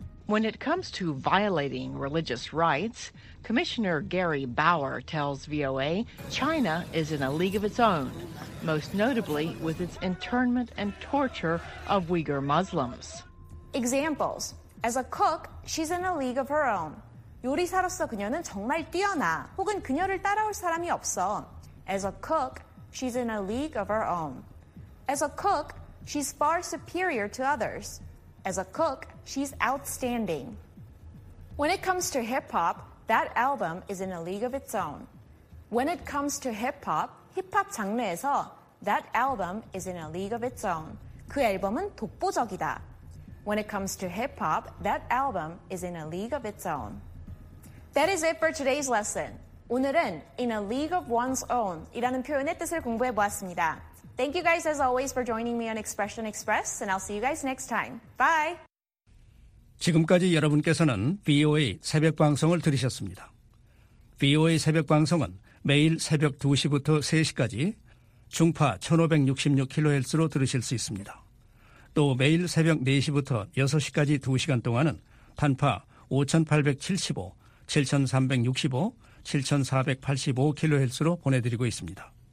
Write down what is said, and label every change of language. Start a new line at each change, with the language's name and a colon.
English: When it comes to violating religious rights, Commissioner Gary Bauer tells VOA China is in a league of its own, most notably with its internment and torture of Uyghur Muslims. Examples. As a cook, she's in a league of her own.
Korean: 요리사로서 그녀는 정말 뛰어나, 혹은 그녀를 따라올 사람이 없어.
English: As a cook, she's in a league of her own. As a cook, she's far superior to others. As a cook, she's outstanding. When it comes to hip-hop, that album is in a league of its own. When it comes to hip-hop,
Korean: 힙합 장르에서
English: that album is in a league of its own.
Korean: 그 앨범은 독보적이다.
English: When it comes to hip-hop, that album is in a league of its own. That is it for today's lesson.
Korean: 오늘은 in a league of one's own 이라는 표현의 뜻을 공부해 보았습니다.
English: Thank you guys as always for joining me on Expression Express and I'll see you guys next time. Bye!
Korean: 지금까지 여러분께서는 VOA 새벽 방송을 들으셨습니다. VOA 새벽 방송은 매일 새벽 2시부터 3시까지 중파 1566kHz로 들으실 수 있습니다. 또 매일 새벽 4시부터 6시까지 2시간 동안은 단파 5875, 7365, 7485kHz로 보내드리고 있습니다.